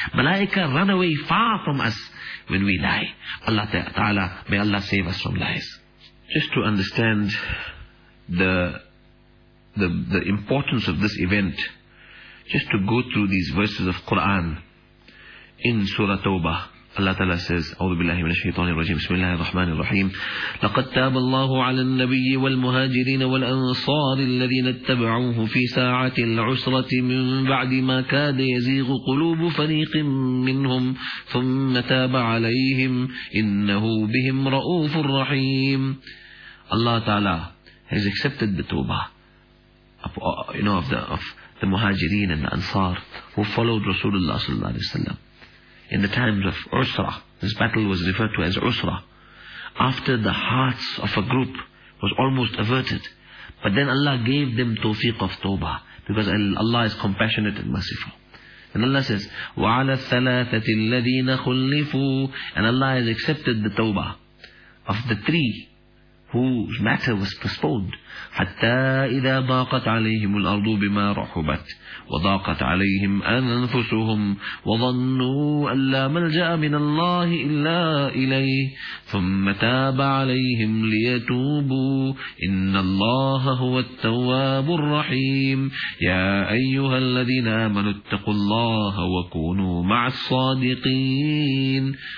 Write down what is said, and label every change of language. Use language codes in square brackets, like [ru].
[en] Malaika run away far from us when we lie. Allah Ta'ala, may Allah save us from lies. Just to understand the importance of this event, just to go through these verses of Quran in Surah Tawbah. Allah Ta'ala says, [ar] أعوذ بالله من الشيطان الرجيم بسم الله الرحمن الرحيم لقد تاب الله على النبي والمهاجرين والأنصار الذين اتبعوه في ساعة العسرة من بعد ما كاد يزيغ قلوب فريق منهم ثم تاب عليهم إنه بهم رؤوف رحيم. [en] Allah Ta'ala has accepted the tawbah of the muhajirin and the ansar who followed Rasulullah sallallahu alayhi wa sallam in the times of Usra. This battle was referred to as Usra. After the hearts of a group was almost averted, but then Allah gave them tawfiq of tawbah, because Allah is compassionate and merciful. And Allah says, [ar] وَعَلَى الثَّلَاثَةِ الَّذِينَ خُلِّفُوا. [en] And Allah has accepted the tawbah of the three whose matter was postponed. [ar] حَتَّى إِذَا ضَاقَتْ عَلَيْهِمُ الْأَرْضُ بِمَا رَحُبَتْ وَضَاقَتْ عَلَيْهِمْ أَنفُسُهُمْ وَظَنُّوا أَلَّا مَلْجَأَ مِنَ اللَّهِ إِلَّا إِلَيْهِ ثُمَّ تَابَ عَلَيْهِمْ لِيَتُوبُوا إِنَّ اللَّهَ هُوَ التَّوَّابُ الرَّحِيمُ يَا أَيُّهَا الَّذِينَ آمَنُوا اتَّقُوا اللَّهَ وَكُونُوا مَعَ الصَّادِقِينَ.